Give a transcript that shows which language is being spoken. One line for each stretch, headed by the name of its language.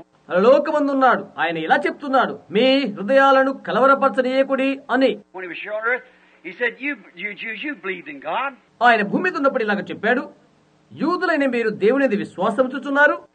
Telugu: పరలోకమందున్నాడు ఆయన ఇలా చెప్తున్నాడు, మీ హృదయాలను కలవరపరచనీయకుడి అని.
English: He said, you believe in God.
Telugu: ఆయన భూమి మీద ఉన్నప్పుడు ఇలాగ చెప్పాడు, యూదులైన మీరు దేవునిది విశ్వాసం చూచున్నారు.